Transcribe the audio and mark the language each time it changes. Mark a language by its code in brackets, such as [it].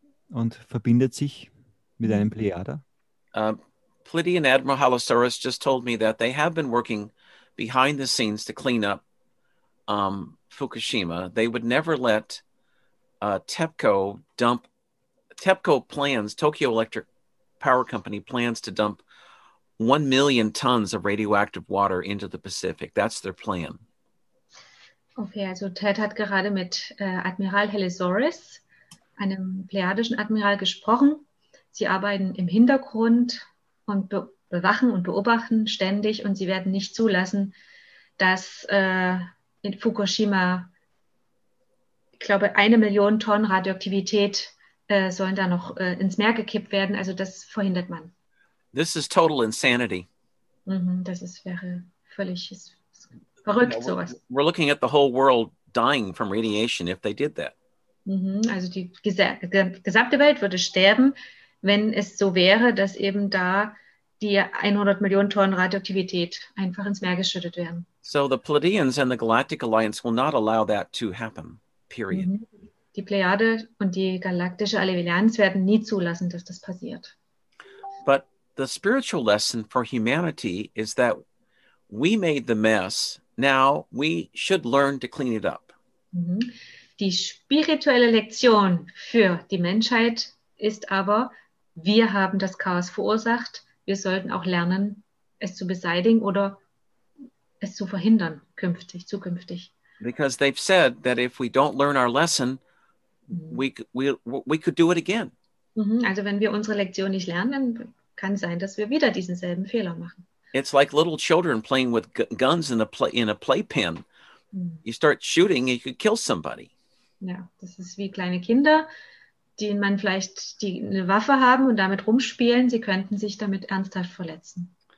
[de] Und verbindet sich mit einem Pleiader. [en] Plitty and Admiral Halosaurus just told me that they have been working behind the scenes to clean up Fukushima. They would never let TEPCO dump. TEPCO plans, Tokyo Electric Power Company plans to dump 1 million tons of radioactive water into the Pacific. That's their plan. [de] Okay, also Ted hat gerade mit Admiral Halosaurus, einem pleiadischen Admiral, gesprochen. Sie arbeiten im Hintergrund und bewachen und beobachten ständig und sie werden nicht zulassen, dass in Fukushima, ich glaube, 1 Million Tonnen Radioaktivität sollen da noch ins Meer gekippt werden. Also das verhindert man. [en] This is total insanity. [de] Mhm, das wäre völlig verrückt, sowas. [en] We're looking at the whole world dying from radiation if they did that. [de] Mhm, also die gesamte Welt würde sterben, wenn es so wäre, dass eben da die 100 Millionen Tonnen Radioaktivität einfach ins Meer geschüttet werden. [en] So the Pleiadians and the Galactic Alliance will not allow that to happen, period. Mm-hmm. [de] Die Plejade und die Galaktische Allianz werden nie zulassen, dass das passiert. [en] But the spiritual lesson for humanity is that we made the mess, now we should learn to clean it up. Mm-hmm. [de] Die spirituelle Lektion für die Menschheit ist aber, wir haben das Chaos verursacht, wir sollten auch lernen, es zu beseitigen oder es zu verhindern zukünftig. [en] Because they've said that if we don't learn our lesson, we could do it again. [de] Also wenn wir unsere Lektion nicht lernen, kann sein, dass wir wieder diesen selben Fehler machen. [en] It's like little children playing with guns in a playpen. You start shooting, you could kill somebody. [de] Ja, das ist wie kleine Kinder, denen man vielleicht eine Waffe haben und damit rumspielen, sie könnten sich damit ernsthaft verletzen.